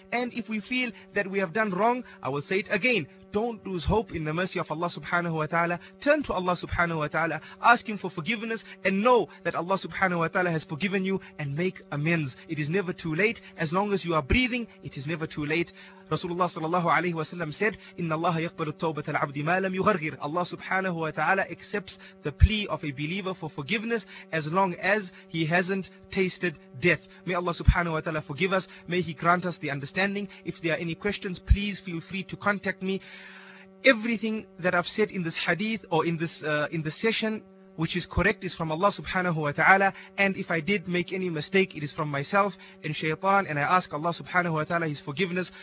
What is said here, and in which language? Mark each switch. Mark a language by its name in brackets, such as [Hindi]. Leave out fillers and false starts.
[English] And if we feel that we have done wrong, I will say it again, don't lose hope in the mercy of Allah subhanahu wa ta'ala. Turn to Allah subhanahu wa ta'ala, ask him for forgiveness, and know that Allah subhanahu wa ta'ala has forgiven you, and make amends. It is never too late. As long as you are breathing, it is never too late. [Arabic] Rasulullah sallallahu alayhi wa sallam [English] said, [Arabic] إِنَّ اللَّهَ يَقْبَلُ التَّوْبَةَ الْعَبْدِ مَا لَمْ يُغَرْغِرْ. [English] Allah subhanahu wa ta'ala accepts the plea of a believer for forgiveness as long as he hasn't tasted death. May Allah subhanahu wa ta'ala forgive us. May he grant us the understanding. If there are any questions, please feel free to contact me. Everything that I've said in this hadith or in this session which is correct is from Allah subhanahu wa ta'ala, and if I did make any mistake, it is from myself and shaytan, and I ask Allah subhanahu wa ta'ala his forgiveness.